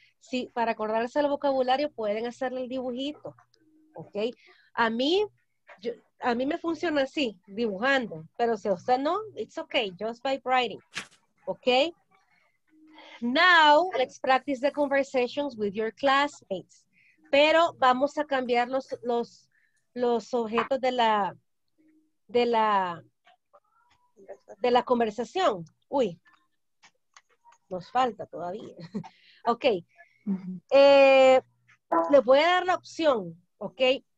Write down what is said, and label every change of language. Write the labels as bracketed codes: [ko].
[es] Sí, para acordarse el vocabulario pueden hacerle el dibujito, okay? A mí me funciona así, dibujando. Pero si usted no, [en] it's okay, just by writing, okay? Now, let's practice the conversations with your classmates. [es] Pero vamos a cambiar los objetos de la conversación. Uy, nos falta todavía. Ok. Les voy a dar la opción. Ok.